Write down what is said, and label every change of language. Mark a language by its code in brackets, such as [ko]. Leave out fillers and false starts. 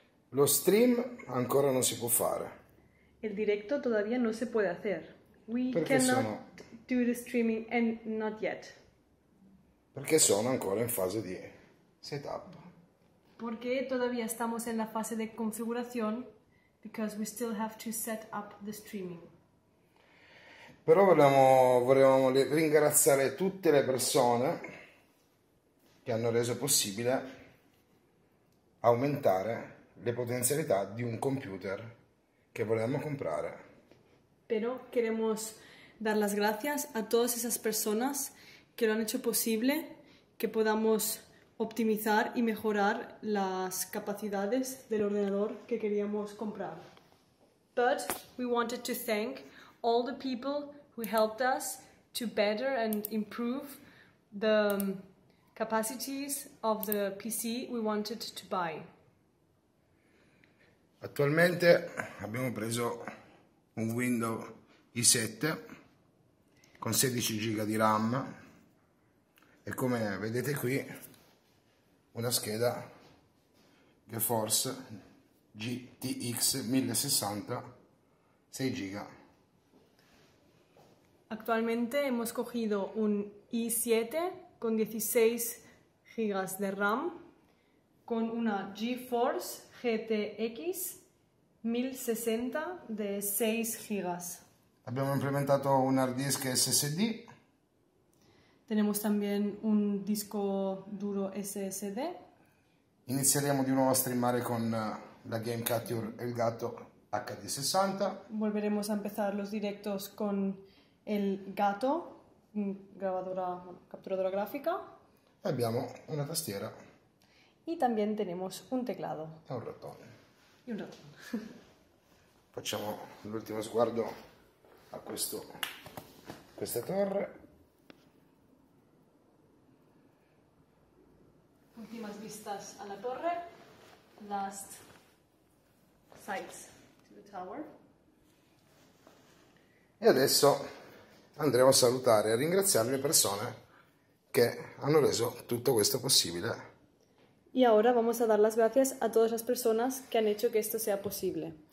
[it] Lo stream ancora non si può fare. [es] El directo todavía no se puede hacer. [en] We [it] Perché [en] cannot [it] sono. [en] do the streaming and not yet. [it] Perché sono ancora in fase di setup. [es] Porque todavía estamos en la fase de configuración. [en] Because we still have to set up the streaming. [it] Però volevamo ringraziare tutte le persone che hanno reso possibile aumentare le potenzialità di un computer che volevamo comprare. [es] Pero queremos dar las gracias a todas esas personas que lo han hecho posible que podamos optimizar y mejorar las capacidades del ordenador que queríamos comprar. [en] But we wanted to thank all the people who helped us to better and improve the capacities of the PC we wanted to buy. [it] Attualmente abbiamo preso un Windows i7 con 16 giga di RAM e come vedete qui una scheda GeForce GTX 1060 6 giga. [es] Actualmente hemos cogido un i7 con 16 GB de RAM con una GeForce GTX 1060 de 6 GB. [it] Abbiamo implementato un hard disk SSD. [es] Tenemos también un disco duro SSD. [it] Inizieremo di nuovo a streamare con la Game Capture El Gato HD60. [es] Volveremos a empezar los directos con el gato, grabadora, capturadora grafica. [it] Abbiamo una tastiera e [es] Y también tenemos un teclado. [it] un ratone. [es] Y un ratón. [it] Facciamo l'ultimo sguardo a questa torre. [es] Últimas vistas a la torre. [en] Last sights to the tower. [it] E adesso andremo a salutare e a ringraziare le persone che hanno reso tutto questo possibile. [es] Y ahora vamos a dar las gracias a todas las personas que han hecho que esto sea posible.